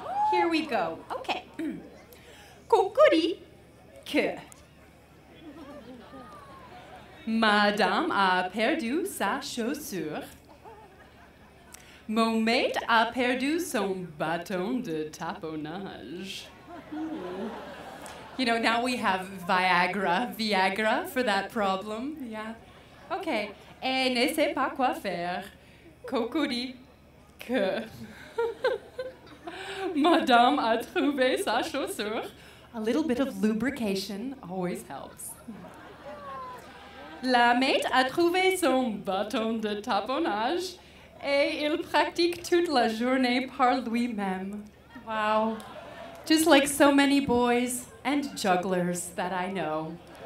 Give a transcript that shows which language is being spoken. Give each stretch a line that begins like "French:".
English: Here we go. Okay. Cocori que.
French: Madame a perdu sa chaussure. Mon maître a perdu son bâton de taponnage.
English: You know, now we have Viagra for that problem.
French: Yeah. Okay. Et ne sait pas quoi faire. Cocori que. Madame a trouvé sa chaussure.
English: A little bit of lubrication always helps.
French: La maître a trouvé son bâton de taponnage et il pratique toute la journée par lui-même.
English: Wow. Just like so many boys and jugglers that I know.